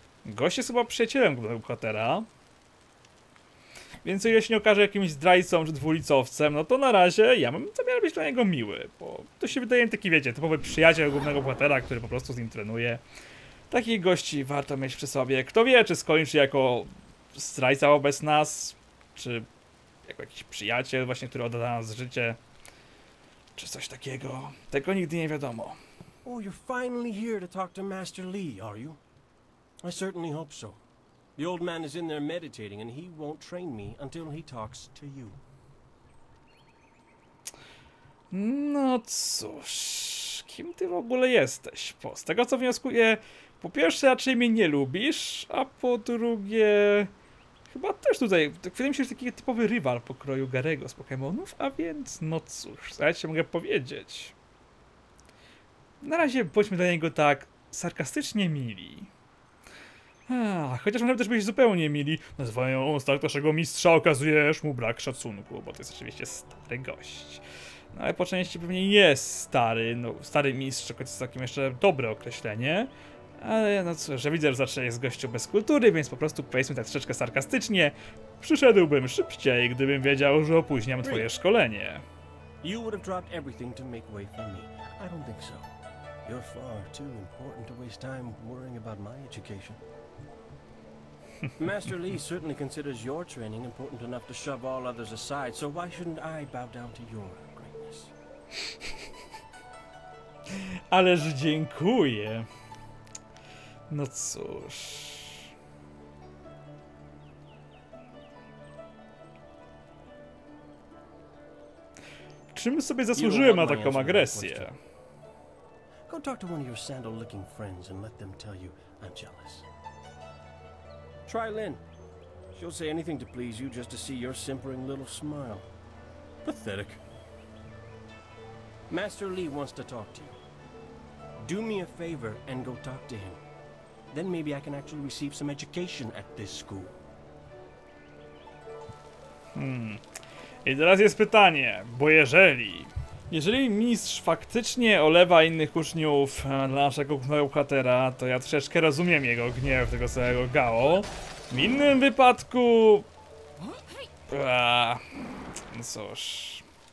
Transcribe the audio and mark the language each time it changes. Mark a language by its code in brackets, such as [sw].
[pl] Gość jest chyba przyjacielem głównego bohatera. Więc jeśli się okaże jakimś zdrajcą czy dwulicowcem, no to na razie ja mam zamiar być dla niego miły, bo to się wydaje taki, wiecie, typowy przyjaciel głównego bohatera, który po prostu z nim trenuje. Takich gości warto mieć przy sobie. Kto wie, czy skończy jako zdrajca wobec nas, czy jako jakiś przyjaciel właśnie, który odda nas życie, czy coś takiego. Tego nigdy nie wiadomo. [en] O, you're finally here to talk to Master Lee, are you? I certainly hope so. The old man is in there meditating, and he won't train me until he talks to you. [pl] No cóż, kim ty w ogóle jesteś? Po z tego co wnioskuję, po pierwsze raczej mnie nie lubisz, a po drugie... Chyba też tutaj, wydaje mi się, że taki typowy rywal pokroju Garego z Pokémonów, a więc no cóż, co ja ci mogę powiedzieć? Na razie bądźmy dla niego tak sarkastycznie mili. Chociaż możemy też być zupełnie mili. Nazywają starszego mistrza, okazujesz mu brak szacunku, bo to jest oczywiście stary gość. No ale po części pewnie jest stary, no stary mistrz, to jest takie jeszcze dobre określenie. Ale no cóż, że widzę, że zawsze jest gościu bez kultury, więc po prostu powiedzmy tak troszeczkę sarkastycznie. Przyszedłbym szybciej, gdybym wiedział, że opóźniam twoje szkolenie. [en] You would have dropped everything to make way for me. I don't think so. You're far too important to waste time worrying about my education. Master Lee certainly considers your training important enough to shove all others aside, so why shouldn't I bow down to your greatness? Ależ dziękuję. No cóż. Czym sobie zasłużyłem na taką agresję? Go talk to one of your sandal-licking friends and let them tell you I'm jealous. Try Lynn. She'll say anything to please you just to see your simpering little smile. Pathetic. Master Lee wants to talk to you. Do me a favor and go talk to him. Then maybe I can actually receive some education at this school. [pl] I teraz jest pytanie, bo jeżeli mistrz faktycznie olewa innych uczniów dla naszego głównego bohatera, to ja troszeczkę rozumiem jego gniew, tego całego Gao. W innym wypadku... No cóż...